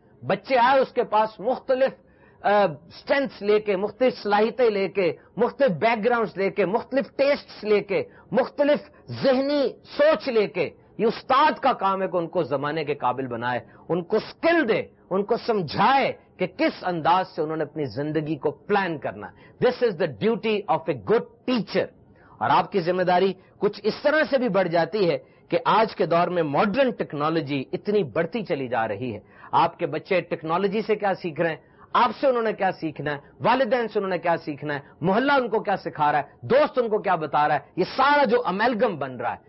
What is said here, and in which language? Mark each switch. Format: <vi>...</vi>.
<ur>بچے آئے اس کے پاس مختلف اسٹرینتھس لے کے, مختلف صلاحیتیں لے کے, مختلف بیک گراؤنڈس لے کے, مختلف ٹیسٹس لے کے, مختلف ذہنی سوچ لے کے. یہ استاد کا کام ہے کہ ان کو زمانے کے قابل بنائے, ان کو سکل دے, ان کو سمجھائے کہ کس انداز سے انہوں نے اپنی زندگی کو پلان کرنا.</ur> <en>This is the duty of a good teacher.</en> <ur>اور آپ کی ذمہ داری کچھ اس طرح سے بھی بڑھ جاتی ہے کہ آج کے دور میں ماڈرن ٹیکنالوجی اتنی بڑھتی چلی جا رہی ہے, آپ کے بچے ٹیکنالوجی سے کیا سیکھ رہے ہیں, آپ سے انہوں نے کیا سیکھنا ہے, والدین سے انہوں نے کیا سیکھنا ہے, محلہ ان کو کیا سکھا رہا ہے, دوست ان کو کیا بتا رہا ہے, یہ سارا جو امیلگم بن رہا ہے.</ur>